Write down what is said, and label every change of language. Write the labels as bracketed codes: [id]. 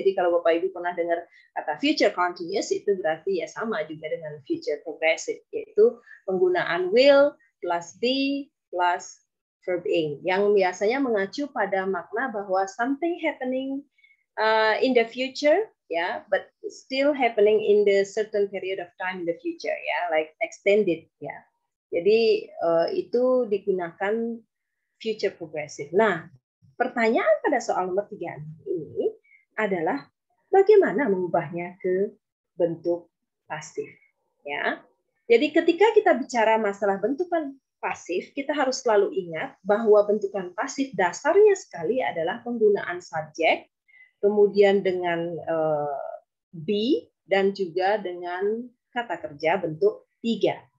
[id] Jadi kalau Bapak Ibu pernah dengar kata future continuous, itu berarti ya sama juga dengan future progressive, yaitu penggunaan [en] will plus be plus verb ing, [id] yang biasanya mengacu pada makna bahwa [en] something happening in the future. Yeah, but still happening in the certain period of time in the future, yeah, like extended, yeah. [id] Jadi itu digunakan future progressive. Nah, pertanyaan pada soal nomor 36 ini adalah bagaimana mengubahnya ke bentuk pasif, ya. Jadi ketika kita bicara masalah bentukan pasif, kita harus selalu ingat bahwa bentukan pasif dasarnya sekali adalah penggunaan subjek, kemudian dengan be, dan juga dengan kata kerja bentuk tiga.